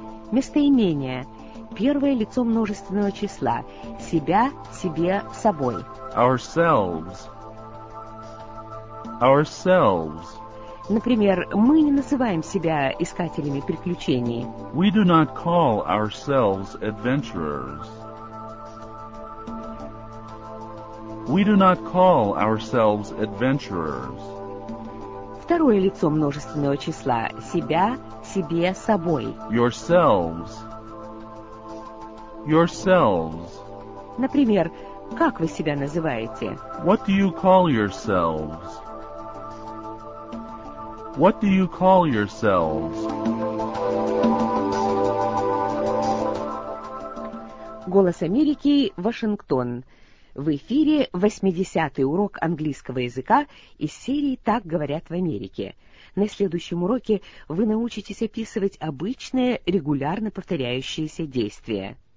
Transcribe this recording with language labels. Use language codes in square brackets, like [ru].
[ru] Местоимение. первое лицо множественного числа. Себя, себе, собой. [en] Ourselves. Ourselves. [ru] Например, мы не называем себя искателями приключений. [en] We do not call ourselves adventurers. We do not call ourselves adventurers. [ru] Второе лицо множественного числа. Себя, себе, собой. [en] Yourselves. Yourselves. [ru] Например, как вы себя называете? [en] What do you call yourselves? What do you call yourselves? [ru] Голос Америки, Вашингтон. В эфире 80-й урок английского языка из серии «Так говорят в Америке». На следующем уроке вы научитесь описывать обычные, регулярно повторяющиеся действия.